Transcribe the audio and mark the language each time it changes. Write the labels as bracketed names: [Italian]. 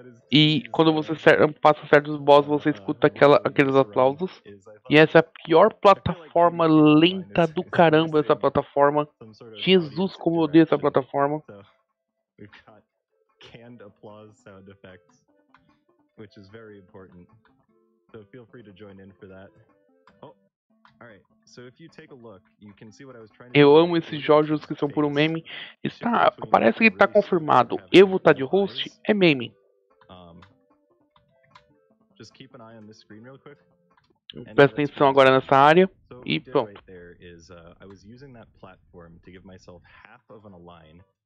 [Portuguese] E quando você passa certos boss, você escuta aqueles aplausos. E essa é a pior plataforma lenta do caramba, essa plataforma. Jesus, como eu odeio essa plataforma. [English] Canned applause sound effects, which is very important. So feel free to join in for that. Oh, all right. So if you take a look, you can see what I was trying to. [Portuguese] Eu amo esses jogos que são por um meme. Está, parece que está confirmado. Evo tá de host, é meme. [English] Just keep an eye on this screen real quick. [Portuguese] Presta atenção agora nessa área e pronto. [English] I was using that platform to give myself half of an align.